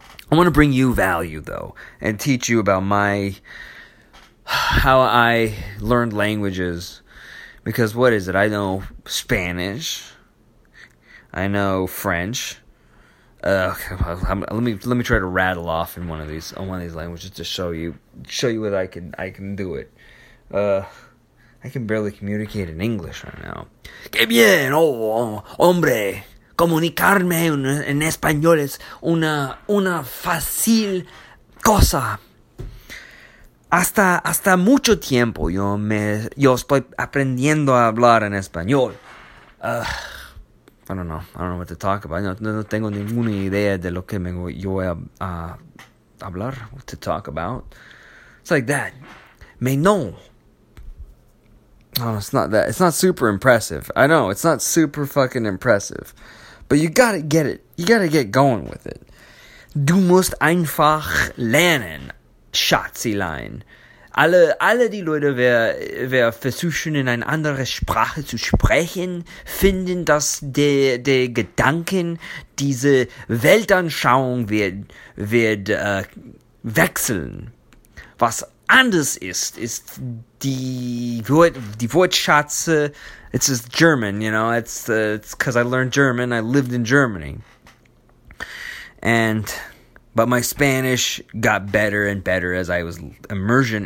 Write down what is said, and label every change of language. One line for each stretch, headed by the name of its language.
English: I want to bring you value, though, and teach you about how I learned languages. Because what is it? I know Spanish. I know French. Let me try to rattle off in one of these languages to show you that I can do it. I can barely communicate in English right now.
Spanish: Qué bien, oh hombre, comunicarme en español es una fácil cosa. Hasta mucho tiempo yo estoy aprendiendo a hablar en español.
English: I don't know what to talk about.
Spanish: No tengo ninguna idea de lo que voy a hablar,
English: what to talk about. It's like that. Me no. Oh, it's not that. It's not super impressive. I know, it's not super fucking impressive. But you gotta get it. You gotta get going with it.
German: Du musst einfach lernen, Schatzilein. Alle die Leute, wer versuchen, in eine andere Sprache zu sprechen, finden, dass der Gedanken, diese Weltanschauung wird wechseln. Was anders ist die Wortschatze,
English: it's just German, you know, it's because I learned German, I lived in Germany. But my Spanish got better and better as I was immersion.